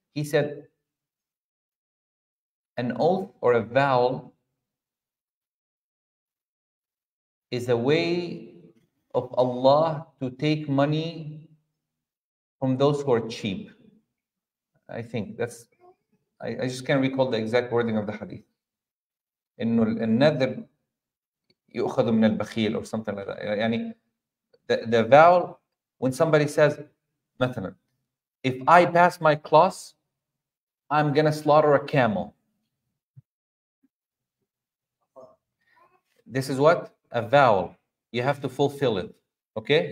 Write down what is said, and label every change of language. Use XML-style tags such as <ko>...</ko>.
<en>He said, an oath or a vow is a way of Allah to take money from those who are cheap. I think that's, I just can't recall the exact wording of the hadith.</en> <ar>إِنُّ النَّذْرِ يُؤْخَذُ مِنَ الْبَخِيلِ</ar> <en>or something like that. يعني the vow, when somebody says, مثلا, if I pass my class, I'm going to slaughter a camel. This is what? A vowel. You have to fulfill it. Okay?</en>